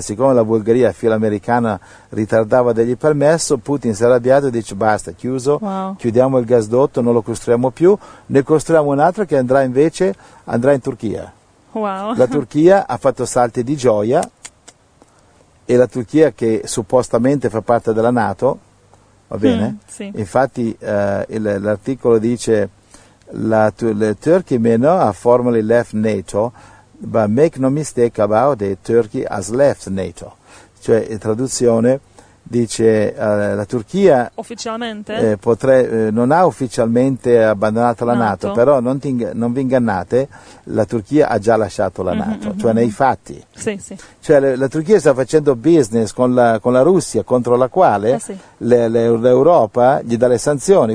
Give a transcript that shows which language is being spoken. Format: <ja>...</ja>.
<it>Siccome la Bulgaria, filo americana, ritardava degli permesso, Putin si è arrabbiato e dice basta, chiuso, chiudiamo il gasdotto, non lo costruiamo più, ne costruiamo un altro che andrà in Turchia. La Turchia ha fatto salti di gioia, e la Turchia, che suppostamente fa parte della NATO, va bene? Sì. Infatti l'articolo dice la</it> <en>Turkey may not have formally left NATO, but make no mistake about it, Turkey has left NATO.</en> <it>Cioè, in traduzione dice la Turchia ufficialmente non ha ufficialmente abbandonato la NATO, però non vi ingannate, la Turchia ha già lasciato la NATO, cioè nei fatti. Sì, sì. Cioè la Turchia sta facendo business con la Russia, contro la quale l'Europa gli dà le sanzioni.</it>